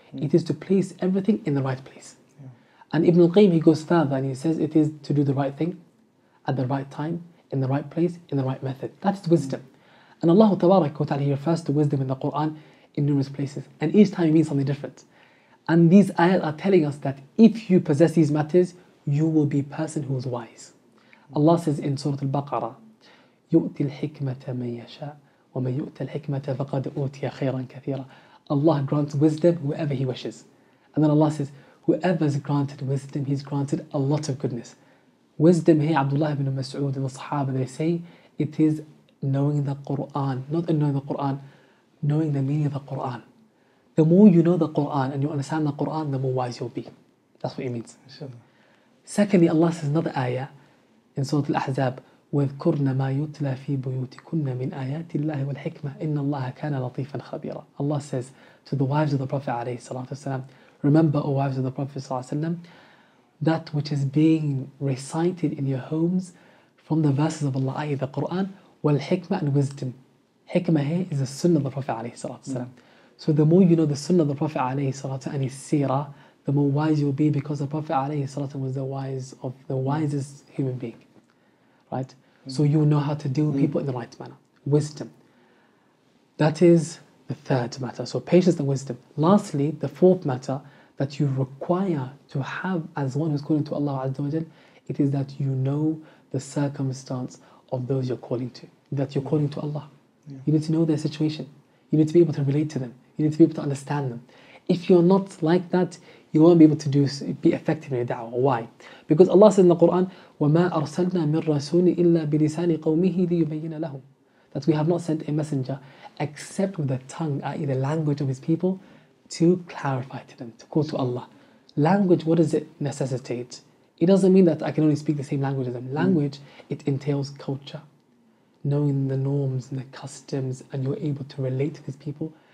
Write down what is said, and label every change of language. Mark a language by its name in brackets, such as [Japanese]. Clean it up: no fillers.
[English] It is to place everything in the right place. And Ibn al-Qayyim, he goes further and he says it is to do the right thing at the right time, in the right place, in the right method. That is wisdom. And Allah tabarak wa ta'ala, he refers to wisdom in the Quran in numerous places. And each time it means something different. And these ayahs are telling us that if you possess these matters, you will be a person who is wise. Allah says in Surah Al-Baqarah, [Arabic] يُؤْتِ الْحِكْمَةَ مَنْ يَشَاءُ وَمَنْ يُؤْتَ الْحِكْمَةَ فَقَدْ أُوْتِيَ خَيْرًا كَثِيرًا. [English] Allah grants wisdom whoever He wishes. And then Allah says, whoever is granted wisdom, He's granted a lot of goodness. Wisdom here, Abdullah ibn Mas'ud and the Sahaba, they say, it is knowing the Quran. Not knowing the Quran, knowing the meaning of the Quran. The more you know the Qur'an and you understand the Qur'an, the more wise you'll be. That's what it means. Sure. Secondly, Allah says another ayah in Surah Al-Ahzab, [Arabic] وَذْكُرْنَ مَا يُتْلَى فِي بُيُوتِكُنَّ مِنْ آيَاتِ اللَّهِ وَالْحِكْمَةِ إِنَّ اللَّهَ كَانَ لَطِيفًا خَبِيرًا. [English] Allah says to the wives of the Prophet [Arabic] عليه الصلاة والسلام, [English] remember, O wives of the Prophet [Arabic] صلى الله عليه وسلم, [English] that which is being recited in your homes from the verses of Allah, i.e. the Qur'an, وَالْحِكْمَةِ and wisdom. Hikmah here is the sunnah of the Prophet [Arabic] عليه الصلاة والسلام. [English] So the more you know the sunnah of the Prophet alayhi salatu and his seerah, the more wise you'll be, because the Prophet alayhi salatu was the wise of the wisest human being. Right? So you know how to deal with people in the right manner. Wisdom. That is the third matter. So patience and wisdom. Lastly, the fourth matter that you require to have as one who's calling to Allah Azza wa Jal, it is that you know the circumstance of those you're calling to. That you're calling to Allah. Yeah. You need to know their situation. You need to be able to relate to them. You need to be able to understand them. If you're not like that, you won't be able to be effective in your da'wah. Why? Because Allah says in the Quran, [Arabic] وَمَا أَرْسَلْنَا مِنْ رَسُولٍ إِلَّا بِلِسَانِ قَوْمِهِ لِيُبَيِّنَ لَهُمْ. [English] That we have not sent a messenger except with the tongue, i.e. the language of his people, to clarify to them, to call to Allah. Language, what does it necessitate? It doesn't mean that I can only speak the same language as them. Language, it entails culture. Knowing the norms and the customs, and you're able to relate to these people.